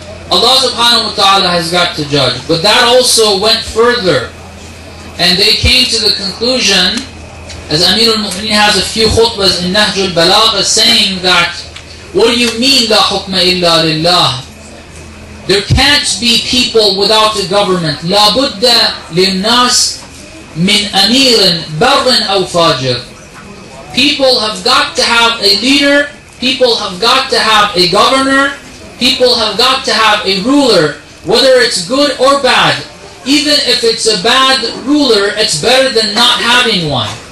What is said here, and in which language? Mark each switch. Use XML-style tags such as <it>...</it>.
<en>Allah subhanahu wa ta'ala has got to judge. But that also went further. And they came to the conclusion, as Amir al-Mu'mineen has a few khutbas in Nahj al-Balagha saying that, what do you mean la hukma illa lillah? There can't be people without a government.</en> <ar>لا بد للناس من أمير بر أو فاجر.</ar> <en>People have got to have a leader. People have got to have a governor. People have got to have a ruler, whether it's good or bad. Even if it's a bad ruler, it's better than not having one.</en>